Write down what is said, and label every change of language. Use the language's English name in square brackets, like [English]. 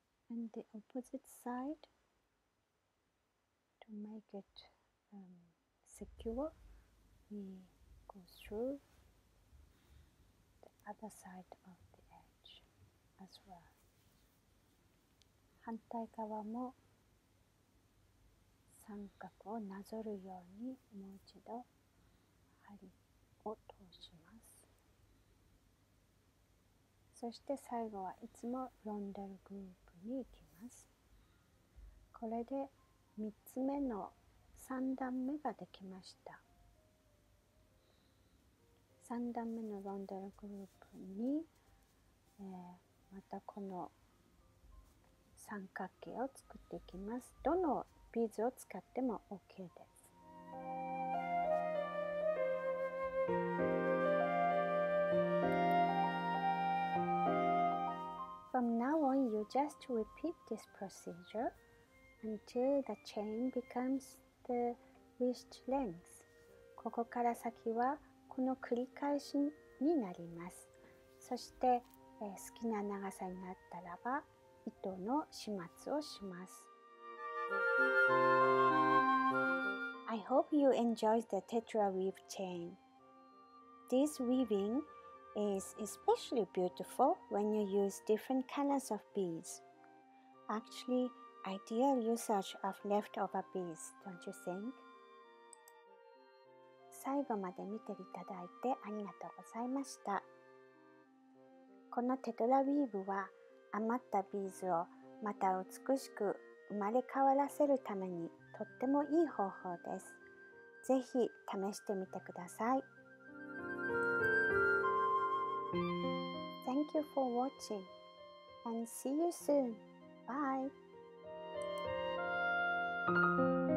[English] And the opposite side. To make it secure, we go through the other side of the edge as well. [Japanese] 反対側も三角をなぞるようにもう一度針を通します。そして最後はいつもロンデルグループに行きます。これで3つ目の3段目ができました。 3段目のロンデルグループに、またこの三角形を作っていきます。どのビーズを使っても OK です。 [English] From now on, you just repeat this procedureUntil the chain becomes the wished length. [Japanese] ここから先はこの繰り返しになります。そして、好きな長さになったらば糸の始末をします。 [English] I hope you enjoy the Tetra Weave chain. This weaving is especially beautiful when you use different colors of beads. Actually,Ideal usage of leftover beads, don't you think? [Japanese] 最後まで見ていただいてありがとうございました。このテトラウィーブは余ったビーズをまた美しく生まれ変わらせるためにとってもいい方法です。ぜひ試してみてください。 [English] Thank you for watching and see you soon. Bye! Thank you.